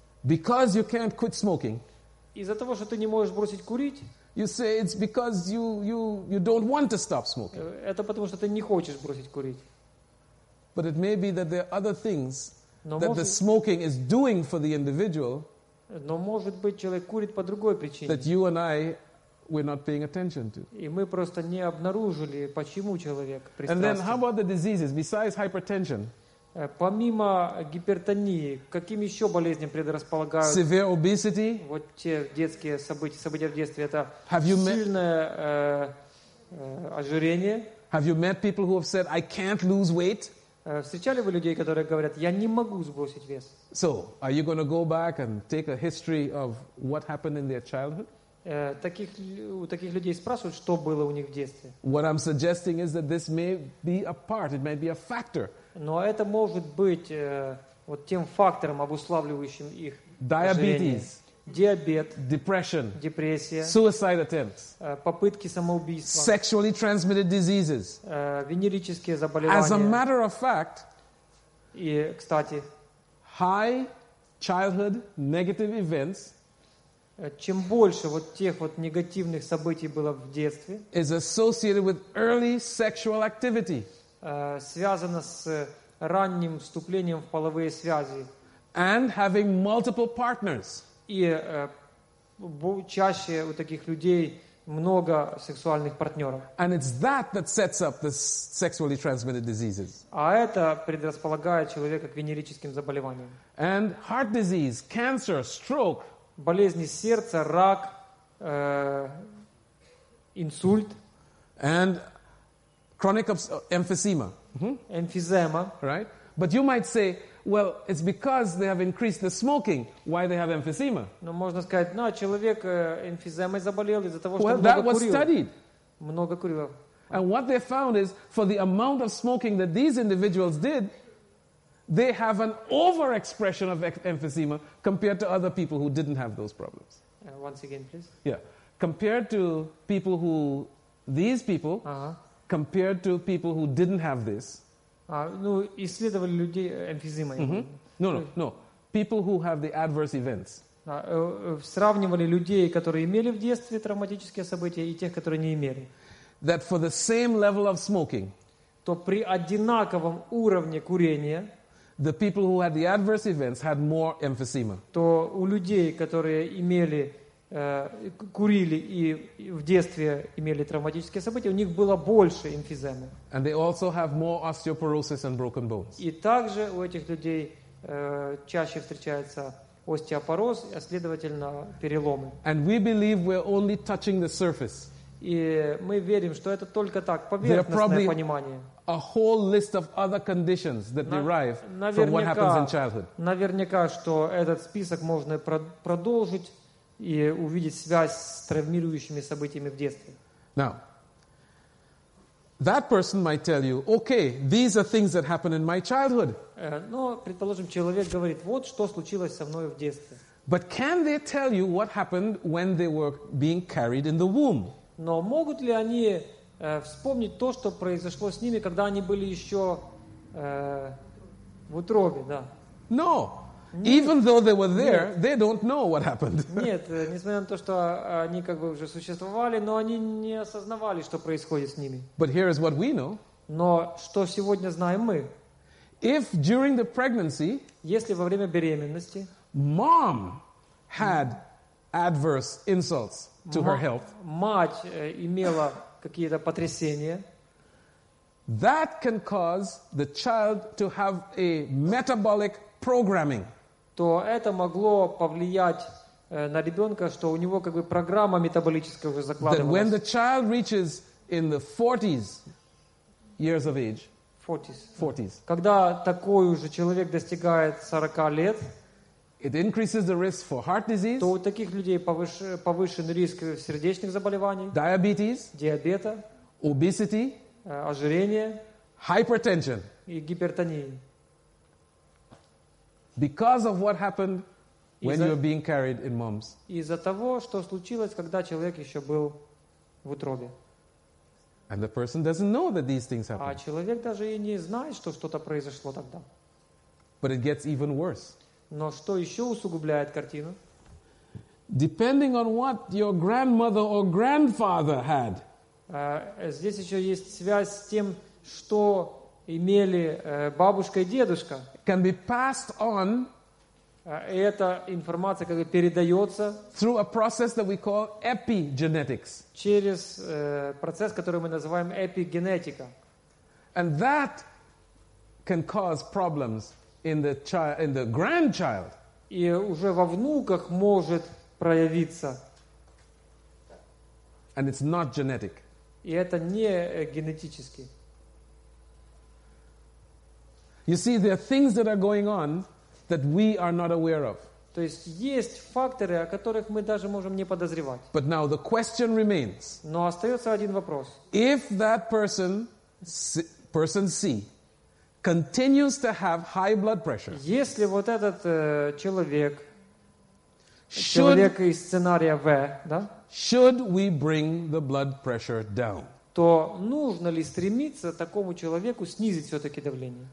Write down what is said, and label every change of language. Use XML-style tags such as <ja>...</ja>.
<en>because you can't quit smoking,</en> <ru>из-за того, что ты не можешь бросить курить,</ru> <en>you say it's because you don't want to stop smoking.</en> <ru>Это потому что ты не хочешь бросить курить.</ru> <en>But it may be that there are other things that the smoking is doing for the individual.</en> <ru>Но может быть человек курит по другой причине.</ru> <en>That you and I we're not paying attention to.</en> <ru>И мы просто не обнаружили, почему человек пристрастен.</ru> <en>And then how about the diseases besides hypertension?</en> <ru>Помимо гипертонии, каким еще болезням предрасполагают?</ru> <en>Severe obesity.</en> <ru>Вот те детские события в детстве, это сильное ожирение.</ru> <en>Have you met people who have said, I can't lose weight?</en> <ru>Встречали вы людей, которые говорят, я не могу сбросить вес?</ru> <en>So, are you going to go back and take a history of what happened in their childhood?</en> <ru>Таких людей спрашивают, что было у них в детстве.</ru> <en>What I'm suggesting is that this may be a part, it may be a factor.</en> <ru>Но это может быть вот тем фактором, обуславливающим их ожирение. Диабет.</ru> <en>Depression.</en> <ru>Депрессия.</ru> <en>Suicide attempts.</en> <ru>Попытки самоубийства.</ru> <en>Sexually transmitted diseases.</en> <ru>Венерические заболевания.</ru> <en>As a matter of fact,</en> <ru>и, кстати,</ru> <en>high childhood negative events,</en> <ru>чем больше вот тех вот негативных событий было в детстве,</ru> <en>is associated with early sexual activity.</en> <ru>Связано с ранним вступлением в половые связи.</ru> <en>And having multiple partners.</en> <ru>И чаще у таких людей много сексуальных партнеров.</ru> <en>And it's that that sets up the sexually transmitted diseases.</en> <ru>А это предрасполагает человека к венерическим заболеваниям.</ru> <en>And heart disease, cancer, stroke.</en> <ru>Болезни сердца, рак, инсульт.</ru> <en>And chronic emphysema. Mm-hmm. Emphysema. Right? But you might say, well, it's because they have increased the smoking, why they have emphysema.</en> <ru>Но можно сказать, ну, человек эмфиземой заболел из-за того, что</ru> <en>well,</en> <ru>много курил.</ru> <en>Well, that was studied.</en> <ru>Много курил.</ru> <en>And what they found is, for the amount of smoking that these individuals did, they have an overexpression of emphysema compared to other people who didn't have those problems. Once again, please. Yeah. Compared to people who, these people, uh-huh. compared to people who didn't have this.</en> <ru>Ну, исследовали людей эмфизимой.</ru> <en>No. People who have the adverse events.</en> <ru>Сравнивали людей, которые имели в детстве травматические события, и тех, которые не имели.</ru> <en>That for the same level of smoking,</en> <ru>то при одинаковом уровне курения,</ru> <en>the people who had the adverse events had more emphysema.</en> <ru>То у людей, которые имели, курили и в детстве имели травматические события, у них было больше эмфиземы.</ru> <en>And they also have more osteoporosis and broken bones.</en> <ru>И также у этих людей чаще встречается остеопороз, а следовательно переломы.</ru> <en>And we believe we're only touching the surface.</en> <ru>И мы верим, что это только так, поверхностное понимание.</ru> <en>A whole list of other conditions that derive from what happens in childhood.</en> <ru>Наверняка, что этот список можно продолжить и увидеть связь с травмирующими событиями в детстве.</ru> <en>Now, that person might tell you, okay, these are things that happened in my childhood.</en> <ru>Но, предположим, человек говорит, вот что случилось со мной в детстве.</ru> <en>But can they tell you what happened when they were being carried in the womb?</en> <ru>Но могут ли они вспомнить то, что произошло с ними, когда они были еще в утробе, да?</ru> <en>No.</en> <ru>Нет.</ru> <en>Even though they were there, they don't know what happened.</en> <ru>Нет, несмотря на то, что они как бы уже существовали, но они не осознавали, что происходит с ними.</ru> <en>But here is what we know.</en> <ru>Но что сегодня знаем мы?</ru> <en>If during the pregnancy,</en> <ru>если во время беременности,</ru> <en>mom had adverse insults to her health.</en> <ru>Мать имела какие-то потрясения.</ru> <en>That can cause the child to have a metabolic programming.</en> <ru>То это могло повлиять на ребенка, что у него как бы программа метаболическая уже закладывалась.</ru> <en>That when the child reaches in the 40s years of age. 40s.</en> <ru>Когда такой уже человек достигает 40 лет.</ru> <en>It increases the risk for heart disease.</en> <ru>То у таких людей повышен риск сердечных заболеваний.</ru> <en>Diabetes.</en> <ru>Диабета.</ru> <en>Obesity.</en> <ru>Ожирение.</ru> <en>Hypertension.</en> <ru>И гипертония.</ru> <en>Because of what happened when you were being carried in moms.</en> <ru>Из-за того, что случилось, когда человек еще был в утробе.</ru> <en>And the person doesn't know that these things happened.</en> <ru>А человек даже и не знает, что что-то произошло тогда.</ru> <en>But it gets even worse.</en> <ru>Но что еще усугубляет картину?</ru> <en>Depending on what your grandmother or grandfather had.</en> <ru>Здесь еще есть связь с тем, что имели бабушка и дедушка.</ru> <en>Can be passed on.</en> <ru>Эта информация как бы передается.</ru> <en>Through a process that we call epigenetics.</en> <ru>Через процесс, который мы называем эпигенетика.</ru> <en>And that can cause problems. In the grandchild.</en> <ru>И уже во внуках может проявиться.</ru> <en>And it's not genetic.</en> <ru>И это не генетически.</ru> <en>You see, there are things that are going on that we are not aware of.</en> <ru>То есть есть факторы, о которых мы даже можем не подозревать.</ru> <en>But now the question remains.</en> <ru>Но остается один вопрос.</ru> <en>If that person C continues to have high blood pressure.</en> <ru>Если вот этот человек из сценария В, да?</ru> <en>Should we bring the blood pressure down?</en> <ru>То нужно ли стремиться такому человеку снизить все-таки давление?</ru>